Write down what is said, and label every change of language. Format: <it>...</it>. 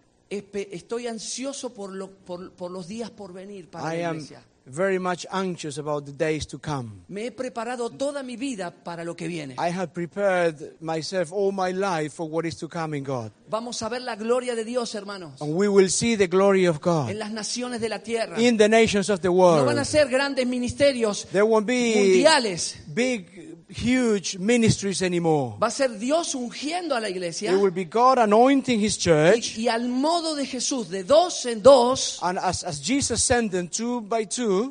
<es>estoy ansioso por los días por venir para la iglesia.</es> <en>Very much anxious about the days to come.</en> <es>Me he preparado toda mi vida para lo que viene.</es> <en>I have prepared myself all my life for what is to come in God.</en> <es>Vamos a ver la gloria de Dios, hermanos.</es> <en>And we will see the glory of God.</en> <es>En las naciones de la tierra.</es> <en>In the nations of the world.</en> <es>No van a ser grandes ministerios.</es> <en>There won't be</en> <es>mundiales.</es> <en>Big, huge ministries anymore.</en> <es>Va a ser Dios ungiendo a la iglesia.</es> <en>It will be God anointing his church.</en> <es>Y al modo de Jesús, de dos en dos.</es> <en>And as Jesus sent them two by two.</en>